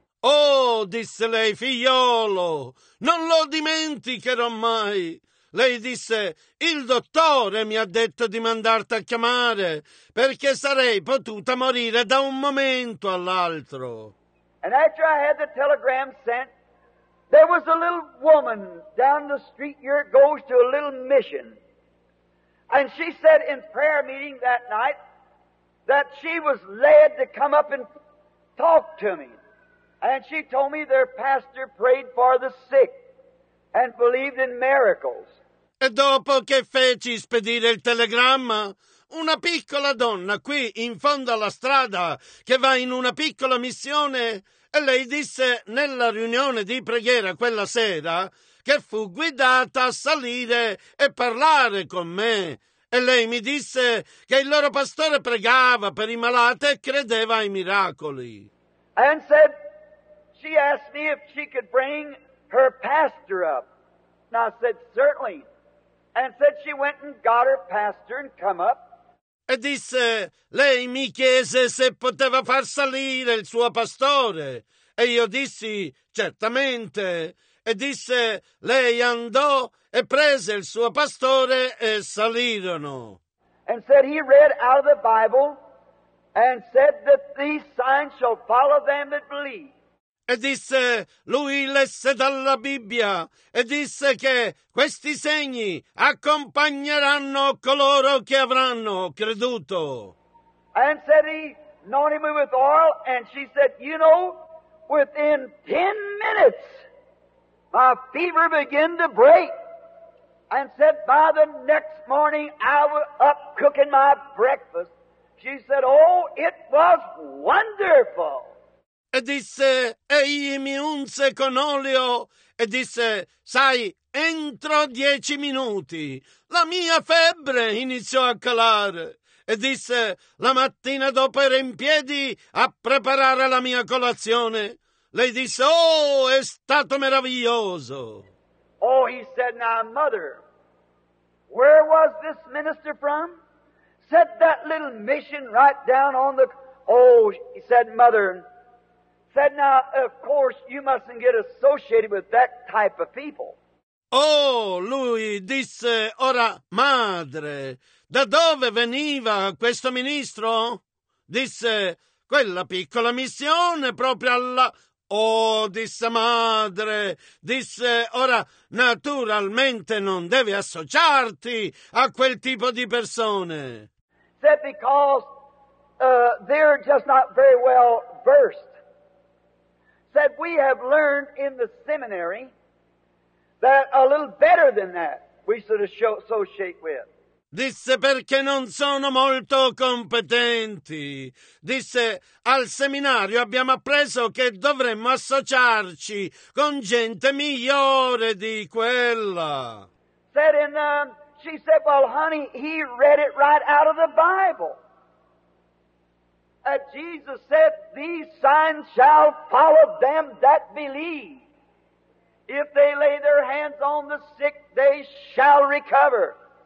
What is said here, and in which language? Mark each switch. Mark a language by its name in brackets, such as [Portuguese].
[Italian] Oh, disse lei, figliolo, non lo dimenticherò mai. Lei disse, il dottore mi ha detto di mandarti a chiamare perché sarei potuta morire da un momento all'altro. [English] And after I had the telegram sent, there was a little woman down the street here goes to a little mission. And she said in prayer meeting that night, that she was led to come up and talk to me. And she told me their pastor prayed for the sick and believed in miracles. [Italian] E dopo che feci spedire il telegramma, una piccola donna qui in fondo alla strada che va in una piccola missione, e lei disse nella riunione di preghiera quella sera che fu guidata a salire e parlare con me. E lei mi disse che il loro pastore pregava per i malati e credeva ai miracoli. [English] And said, she asked me if she could bring her pastor up. And I said, certainly. And said she went and got her pastor and come up. [Italian] E disse, lei mi chiese se poteva far salire il suo pastore. E io dissi, certamente. E disse, lei andò e prese il suo pastore e salirono. [English] And said he read out of the Bible and said that these signs shall follow them that believe. [Italian] E disse, lui lesse dalla Bibbia e disse che questi segni accompagneranno coloro che avranno creduto. [English] And said he anointed me with oil, and she said, you know, within 10 minutes my fever began to break. And said, by the next morning I was up cooking my breakfast. She said, oh, it was wonderful. [Italian] E disse, egli mi unse con olio e disse, sai, entro 10 minuti la mia febbre iniziò a calare. E disse, la mattina dopo ero in piedi a preparare la mia colazione. Lei disse, oh, è stato meraviglioso. [English] Oh, he said, now, mother, where was this minister from? Said that little mission right down on the... Oh, he said, mother... Said, now, of course, you mustn't get associated with that type of people. [Italian] Oh, lui disse, ora, madre, da dove veniva questo ministro? Disse, quella piccola missione proprio alla... Oh, disse, madre, disse, ora, naturalmente non devi associarti a quel tipo di persone. [English] Said, because they're just not very well versed. That we have learned in the seminary that a little better than that we should associate with. [Italian] Disse perché non sono molto competenti. Disse al seminario abbiamo appreso che dovremmo associarci con gente migliore di quella. [English] Said and she said, well, honey, he read it right out of the Bible. That Jesus said, these signs shall follow them that believe. If they lay their hands on the sick, they shall recover.